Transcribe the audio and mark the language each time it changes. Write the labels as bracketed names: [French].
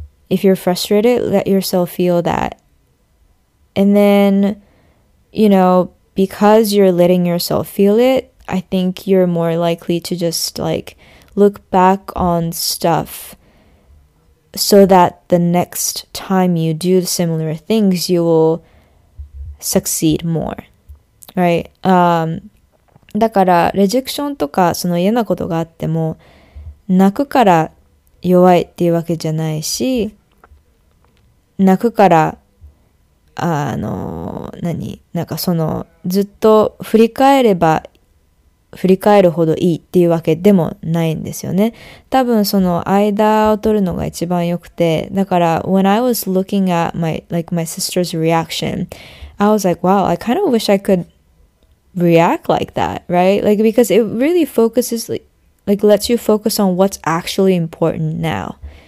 [English] If you're frustrated, let yourself feel that. And then, you know, because you're letting yourself feel it, I think you're more likely to just, like, look back on stuff so that the next time you do similar things, you will succeed more, right? [Japanese] だから、レジェクションとか、その嫌なことがあっても、泣くから弱いっていうわけじゃないし、泣くから、あの、何、なんかその、ずっと振り返れば、振り返るほどいいっていうわけでもないんですよね。多分その間を取るのが一番良くて、だから、 [English] when I was looking at my, like, my sister's reaction, I was like, wow, I kind of wish I could react like that, right? Like, because it really focuses, like lets you focus on what's actually important now.